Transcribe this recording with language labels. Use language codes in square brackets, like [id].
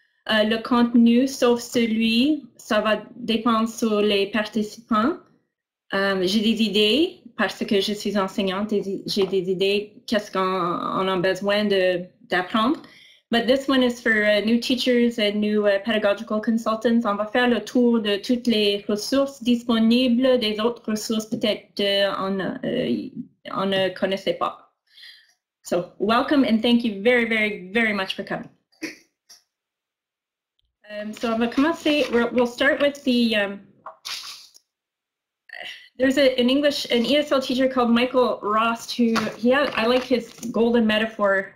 [fr] Le contenu, sauf celui, ça va dépendre sur les participants. J'ai des idées, parce que je suis enseignante, et j'ai des idées, qu'est-ce qu'on a besoin d'apprendre. [en] But this one is for new teachers and new pedagogical consultants. [fr] On va faire le tour de toutes les ressources disponibles, des autres ressources peut-être on ne connaissait pas. [en] So, welcome and thank you very, very, very much for coming. So, [fr] on va commencer, [en] we'll start with the... there's an English, an ESL teacher called Michael Rost who, I like his golden metaphor.